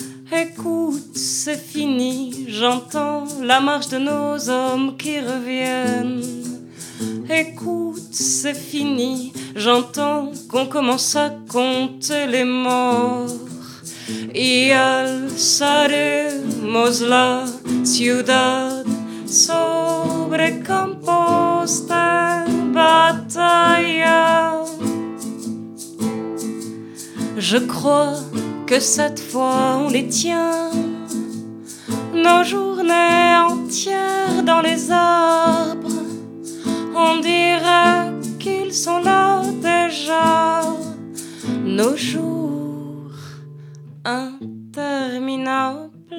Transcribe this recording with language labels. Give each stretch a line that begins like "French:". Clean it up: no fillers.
French: Écoute, c'est fini. J'entends la marche de nos hommes qui reviennent. Écoute, c'est fini, j'entends qu'on commence à compter les morts.
Spanish: Y alzaremos la ciudad sobre campos de batalla.
French: Je crois que cette fois on les tient, nos journées entières dans les arbres. On dirait qu'ils sont là déjà, nos jours interminables.